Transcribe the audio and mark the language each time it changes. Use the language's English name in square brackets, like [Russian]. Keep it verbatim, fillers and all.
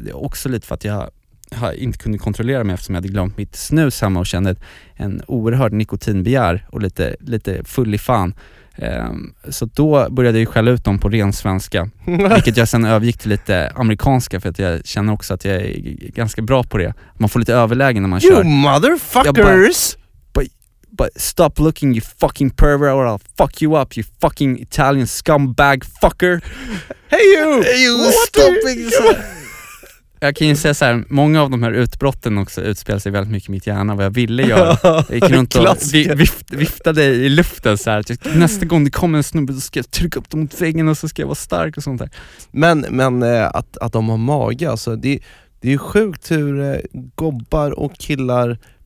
[Swedish] Det var också lite för att jag... jag inte kunde kontrollera mig eftersom jag hade glömt mitt snus hemma och kände en oerhörd nikotinbegär och lite, lite full i fan. Um, så då började jag ju skälla ut dem på ren svenska, vilket jag sen övergick till lite amerikanska, för att jag känner också att jag är ganska bra på det. Man får lite överlägen när man [English] you [Swedish] kör. [English] You motherfuckers! But, but stop looking you fucking pervert or I'll fuck you up you fucking Italian scumbag fucker! Hey you! Hey you! What stop it! [Swedish] Jag kan ju säga så här, många av de här utbrotten också utspelar sig väldigt mycket i mitt hjärna, vad jag ville göra. Jag gick runt och vift, viftade i luften så här. Nästa gång det kommer en snubbe så ska jag trycka upp dem mot väggen och så ska jag vara stark och sånt där. Men, men att, att de har mage, alltså, det, det är ju sjukt hur gobbar och killar